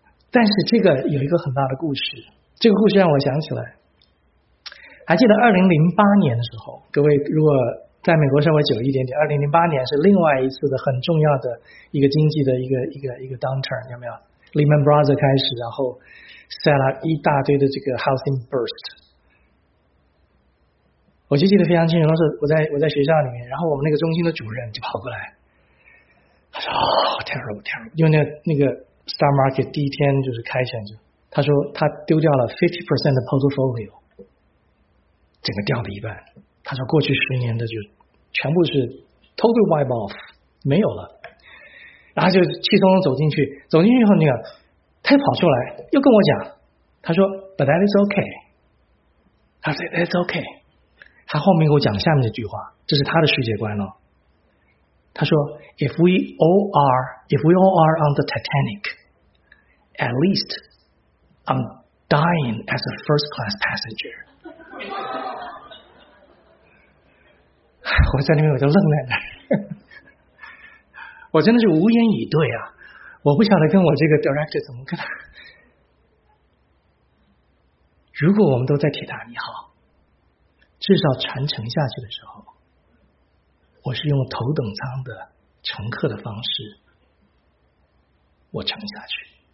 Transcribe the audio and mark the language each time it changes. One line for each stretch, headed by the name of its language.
Chinese: 但是这个有一个很大的故事，这个故事让我想起来，还记得2008年的时候，各位如果在美国稍微久一点点，2008年是另外一次的很重要的一个经济的一个 downturn， 有没有？ Lehman Brothers 开始，然后
English: set up
Chinese: 一大堆的这个 housing burst。我就记得非常清楚，当时我在学校里面，然后我们那个中心的主任就跑过来，他说、terrible， 因为那个 stock market 第一天就是开起来，就他说他丢掉了 50% 的 portfolio， 整个掉了一半。他说过去10年的就全部是
English: total wipe off，
Chinese: 没有了。然后就气冲冲走进去，走进去以后，那个他又跑出来又跟我讲，他说
English: but that is okay，
Chinese: 他说
English: that's okay，
Chinese: 他后面给我讲下面这句话，这是他的世界观了。他说
English: if we all are on the Titanic， at least I'm dying as a first class passenger。
Chinese: 我在那边我就愣在那儿，我真的是无言以对啊！我不晓得跟我这个 director 怎么跟他。如果我们都在铁达尼号，至少船沉下去的时候，我是用头等舱的乘客的方式，我沉下去。